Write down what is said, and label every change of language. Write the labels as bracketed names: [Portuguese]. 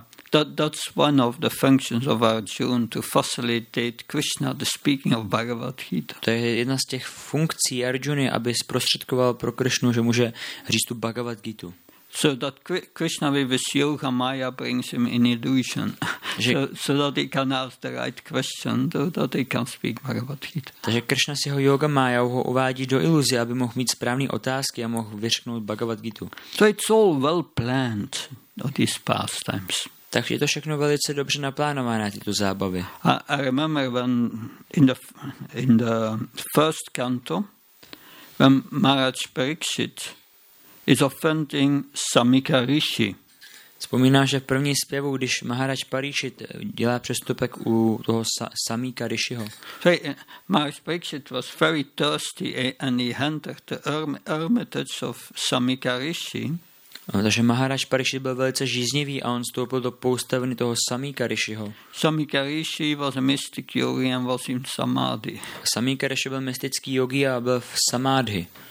[English] That's one of the functions of Arjuna, to facilitate Krishna the speaking of Bhagavad Gita. [Czech] To je jedna z těch funkcí Arjuny, aby zprostředkoval pro Krishnu, že může říct tu Bhagavad Gita. [English] So that Krishna with his yoga maya brings him in illusion. So that he can ask the right question, so that he can speak Bhagavad Gita. [Czech] Takže Krishna si ho yoga maya ho uvádí do iluze, aby mohl mít správný otázky a mohl vyřknout Bhagavad Gita. [English] So it's all well planned, these pastimes. [Czech] Takže je to všechno velice dobře naplánované, tyto zábavy. [English] I remember when in the first canto, when Maharaj Parikshit is offending Samika Rishi. [Czech] Vzpomínám, že v první zpěvu, když Maharaj Parikshit dělá přestupek u toho Samika Rishiho. [English] So, Maharaj Parikshit was very thirsty and he entered the hermitage of Samika Rishi. [Czech] Takže Maharaj Parikshit byl velice žíznivý a on vstoupil do poustevny toho Samika Rishiho. [English] Samika Rishi was a mystic yogi and was in samadhi. [Czech] Samika Rishi byl mystický yogi a byl v samadhi.